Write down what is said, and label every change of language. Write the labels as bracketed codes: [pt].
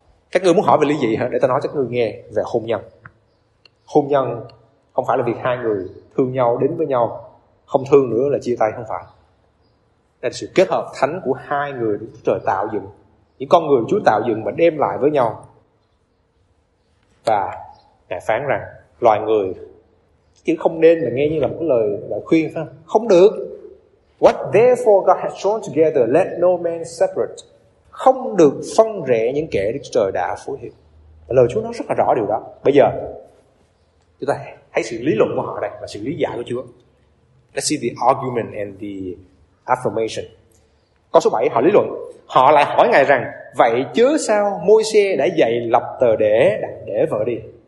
[vi] Các ngươi muốn hỏi về lý gì hả? Để ta nói cho các ngươi nghe về hôn nhân. Hôn nhân không phải là việc hai người thương nhau đến với nhau, không thương nữa là chia tay, không phải. Đây là sự kết hợp thánh của hai người Chúa Trời tạo dựng, những con người Chúa tạo dựng và đem lại với nhau. Và Ngài phán rằng loài người, chứ không nên mà nghe như là một cái lời khuyên phải không? Không được. [en] What therefore God has joined together, let no man separate. [vi] Không được phân rẽ những kẻ Đức Chúa Trời đã phối hiệp. Lời Chúa nói rất là rõ điều đó. Bây giờ chúng ta thấy sự lý luận của họ đây và sự lý giải của Chúa. [en] Let's see the argument and the affirmation. [vi] Câu số 7, họ lý luận. Họ lại hỏi Ngài rằng, vậy chớ sao Môi-se đã dạy lập tờ để đặt để vợ đi.